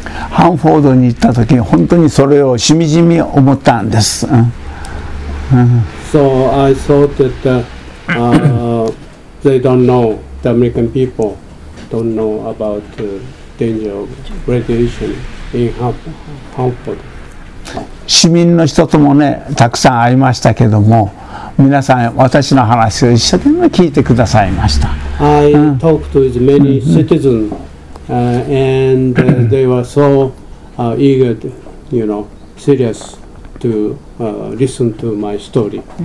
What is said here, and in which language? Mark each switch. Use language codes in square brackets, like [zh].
[ja] ハンフォードに行った時、本当にそれをしみじみ思ったんです。 [en] So I thought that they don't know, the American people don't know about danger of radiation in Hanford. [ja] 市民の人ともね、たくさん会いましたけども、皆さん私の話を一生懸命聞いてくださいました。 [en] I talked with many citizens, and they were so eager, to, you know, serious to listen to my story.